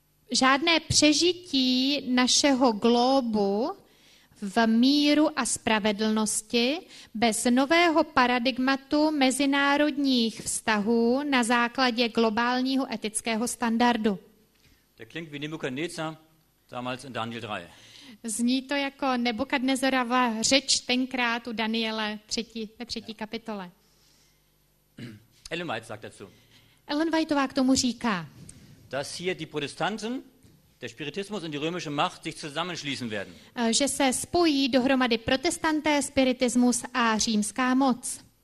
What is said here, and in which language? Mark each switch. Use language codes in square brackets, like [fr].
[cs] Žádné přežití našeho globu v míru a spravedlnosti bez nového paradigmatu mezinárodních vztahů na základě globálního etického standardu. [de] Der klingt wie Nebukadnezar damals in Daniel 3. [cs] Zní to jako Nebukadnezarova řeč tenkrát u Daniele ve třetí kapitole. [de] Ellen White sagt dazu. [cs] Ellen Whiteová k tomu říká, [de] dass hier die Protestanten, der Spiritismus und die römische Macht sich zusammenschließen werden. [cs] Že se spojí dohromady Protestanté, Spiritismus a římská moc.